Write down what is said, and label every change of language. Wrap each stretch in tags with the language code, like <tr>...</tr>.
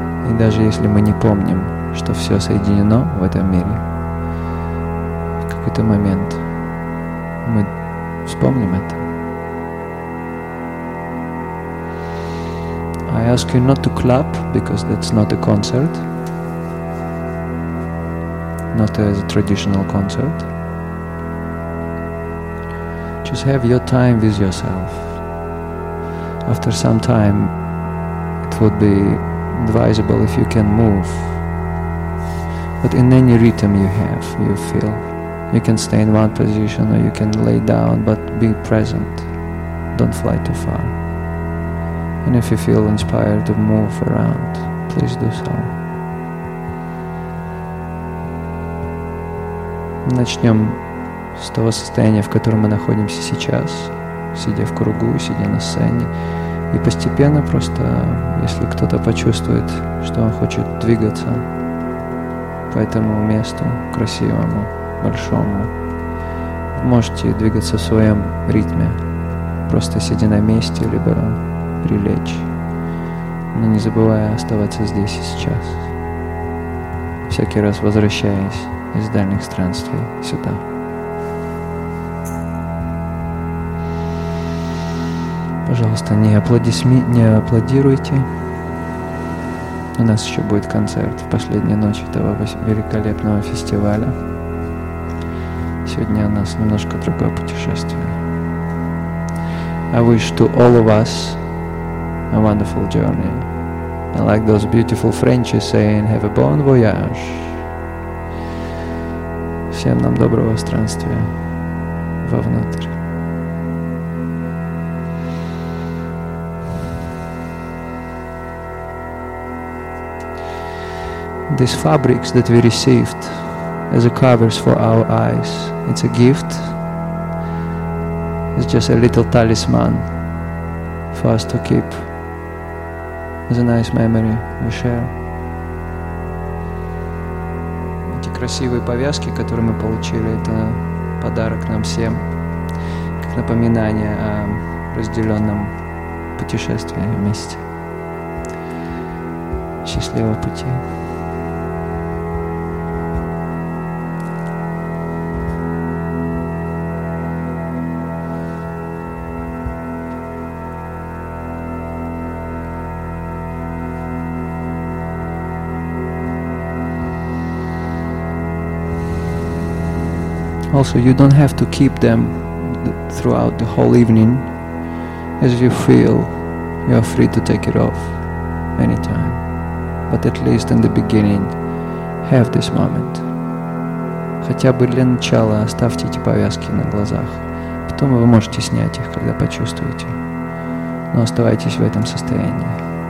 <ru>И даже если мы не помним, что все соединено в этом мире, в какой-то момент мы вспомним это.</ru> <en>I ask you not to clap, because that's not a concert, not as a traditional concert. Just have your time with yourself. After some time, it would be advisable if you can move. But in any rhythm you have, you feel. You can stay in one position or you can lay down, but be present. Don't fly too far. And if you feel inspired to move around, please do so.</en> <ru>Начнем с того состояния, в котором мы находимся сейчас, сидя в кругу, сидя на сцене. И постепенно просто, если кто-то почувствует, что он хочет двигаться по этому месту, красивому, большому, можете двигаться в своем ритме, просто сидя на месте, либо прилечь, но не забывая оставаться здесь и сейчас, всякий раз возвращаясь из дальних странствий сюда. Пожалуйста, не аплодируйте. У нас еще будет концерт в последнюю ночь этого великолепного фестиваля. Сегодня у нас немножко другое путешествие.</ru> <en>I wish to all of us a wonderful journey. And like those beautiful French saying, have a bon voyage.</en> <ru>Всем нам доброго странствия вовнутрь.</ru> <en>These fabrics that we received as a covers for our eyes, it's a gift. It's just a little talisman for us to keep. It's a nice memory we share.</en> <ru>Эти красивые повязки, которые мы получили, это подарок нам всем, как напоминание о разделенном путешествии вместе. Счастливого пути.</ru> <en>Also, you don't have to keep them throughout the whole evening. As you feel, you are free to take it off anytime. But at least in the beginning, have this moment.</en> <ru>Хотя бы для начала оставьте эти повязки на глазах. Потом вы можете снять их, когда почувствуете. Но оставайтесь в этом состоянии.</ru>